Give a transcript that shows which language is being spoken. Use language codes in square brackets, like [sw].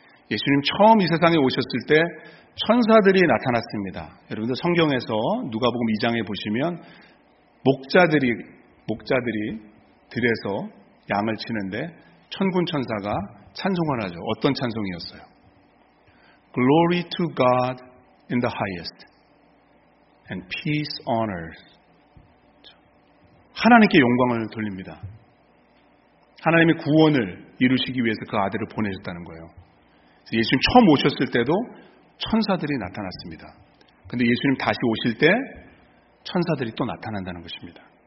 [ko] 예수님 처음 이 세상에 오셨을 때 천사들이 나타났습니다. 여러분들 성경에서 누가복음 2장에 보시면 목자들이 들에서 양을 치는데 천군 천사가 찬송을 하죠. 어떤 찬송이었어요? [en] Glory to God in the highest and peace on earth. [ko] 하나님께 영광을 돌립니다. 하나님의 구원을 이루시기 위해서 그 아들을 보내셨다는 거예요. 예수님 처음 오셨을 때도 천사들이 나타났습니다. 그런데 예수님 다시 오실 때 천사들이 또 나타난다는 것입니다.